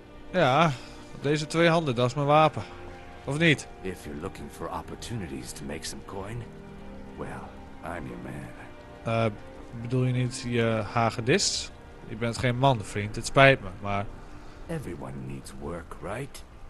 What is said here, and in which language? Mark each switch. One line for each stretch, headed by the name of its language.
Dutch: Ja, deze twee handen, dat is mijn wapen. Of niet?
English: If you're looking for opportunities to make some coin, well, I'm your man.
Dutch: Bedoel je niet je hagedis? Je bent geen man, vriend. Het spijt me, maar.
English: Everyone needs work, right?